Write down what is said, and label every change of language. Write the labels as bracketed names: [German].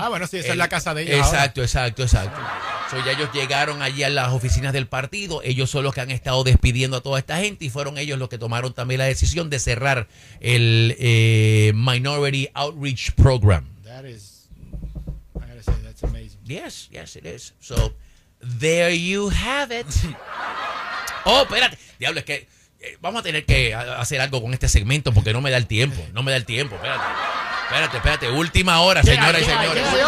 [Spanish] Ah, bueno, sí, esa es la casa de ella. Exacto. So, ya ellos llegaron allí a las oficinas del partido. Ellos son los que han estado despidiendo a toda esta gente y fueron ellos los que tomaron también la decisión de cerrar el Minority Outreach Program. [English] That is, I gotta say, that's amazing. Yes, it is. So, there you have it. [Spanish] Oh, espérate. Diablo, es que vamos a tener que hacer algo con este segmento porque no me da el tiempo. No me da el tiempo. Espérate. Última hora, señoras y señores.